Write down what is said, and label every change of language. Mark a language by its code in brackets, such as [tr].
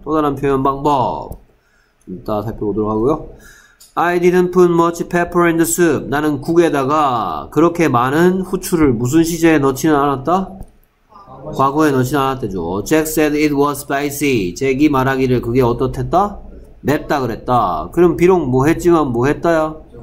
[ko] 또 다른 표현 방법 이따 살펴보도록 하고요. [en] I didn't put much pepper in the soup. [ko] 나는 국에다가 그렇게 많은 후추를 무슨 시제에 넣지는 않았다? 과거에 넣지는 않았대죠. [en] Jack said it was spicy. [ko] 잭이 말하기를 그게 어떻했다? 맵다 그랬다. 그럼 비록 뭐 했지만 뭐 했다야?